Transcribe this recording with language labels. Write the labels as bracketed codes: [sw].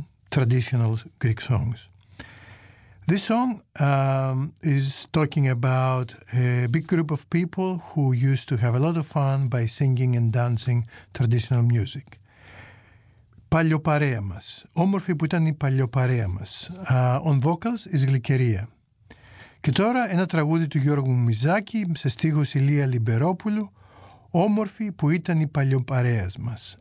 [en] traditional Greek songs. This song is talking about a big group of people who used to have a lot of fun by singing and dancing traditional music. [el] Παλιοπαρέα μας. Όμορφη που ήταν η παλιοπαρέα μας. [en] On vocals is Γλυκερία. [el] Και τώρα ένα τραγούδι του Γιώργου Μιζάκη σε στίχους Ηλία Λιμπερόπουλου. Όμορφη που ήταν η παλιοπαρέα μας.